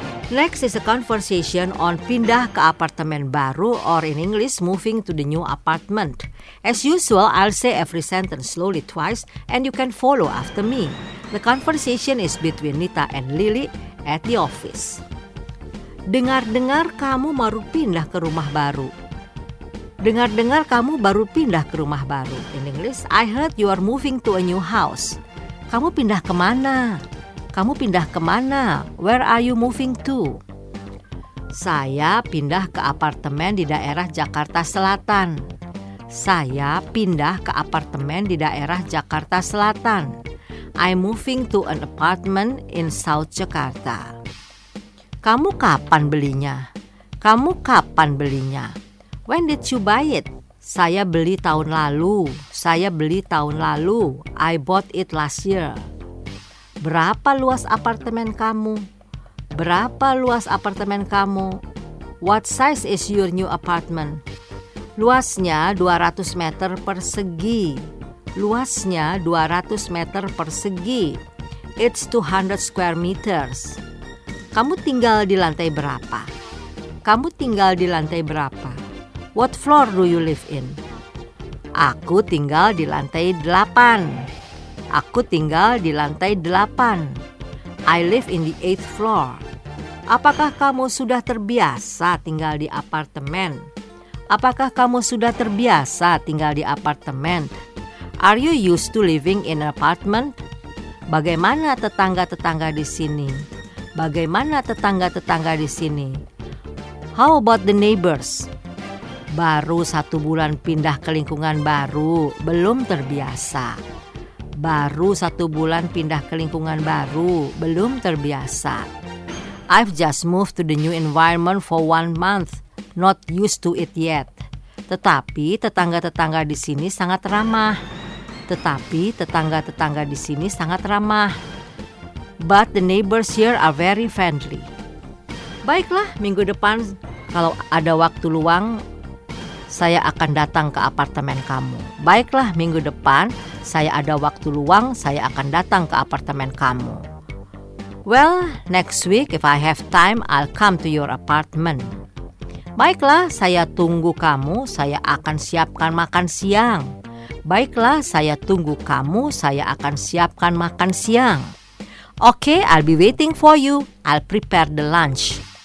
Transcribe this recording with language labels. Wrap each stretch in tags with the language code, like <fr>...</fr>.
<en>Next is a conversation on</en> <id>pindah ke apartemen baru,</id> <en>or in English, moving to the new apartment. As usual, I'll say every sentence slowly twice, and you can follow after me. The conversation is between Nita and Lily at the office.</en> <id>Dengar-dengar kamu baru pindah ke rumah baru. Dengar-dengar kamu baru pindah ke rumah baru.</id> <en>In English, I heard you are moving to a new house.</en> <id>Kamu pindah kemana? Kamu pindah kemana?</id> <en>Where are you moving to?</en> <id>Saya pindah ke apartemen di daerah Jakarta Selatan. Saya pindah ke apartemen di daerah Jakarta Selatan.</id> <en>I'm moving to an apartment in South Jakarta.</en> <id>Kamu kapan belinya? Kamu kapan belinya?</id> <en>When did you buy it?</en> <id>Saya beli tahun lalu. Saya beli tahun lalu.</id> <en>I bought it last year.</en> <id>Berapa luas apartemen kamu? Berapa luas apartemen kamu?</id> <en>What size is your new apartment?</en> <id>Luasnya 200 meter persegi. Luasnya 200 meter persegi.</id> <en>It's 200 square meters.</en> <id>Kamu tinggal di lantai berapa? Kamu tinggal di lantai berapa?</id> <en>What floor do you live in?</en> <id>Aku tinggal di lantai 8. Aku tinggal di lantai 8.</id> <en>I live in the 8th floor.</en> <id>Apakah kamu sudah terbiasa tinggal di apartemen? Apakah kamu sudah terbiasa tinggal di apartemen?</id> <en>Are you used to living in an apartment?</en> <id>Bagaimana tetangga-tetangga di sini? Bagaimana tetangga-tetangga di sini?</id> <en>How about the neighbors?</en> <id>Baru 1 bulan pindah ke lingkungan baru, belum terbiasa. Baru 1 bulan pindah ke lingkungan baru, belum terbiasa.</id> <en>I've just moved to the new environment for 1 month, not used to it yet.</en> <id>Tetapi tetangga-tetangga di sini sangat ramah. Tetapi tetangga-tetangga di sini sangat ramah.</id> <en>But the neighbors here are very friendly.</en> <id>Baiklah, minggu depan kalau ada waktu luang, saya akan datang ke apartemen kamu. Baiklah, minggu depan saya ada waktu luang, saya akan datang ke apartemen kamu.</id> <en>Well, next week if I have time, I'll come to your apartment.</en> <id>Baiklah, saya tunggu kamu, saya akan siapkan makan siang. Baiklah, saya tunggu kamu, saya akan siapkan makan siang.</id> <en>Okay, I'll be waiting for you. I'll prepare the lunch.</en>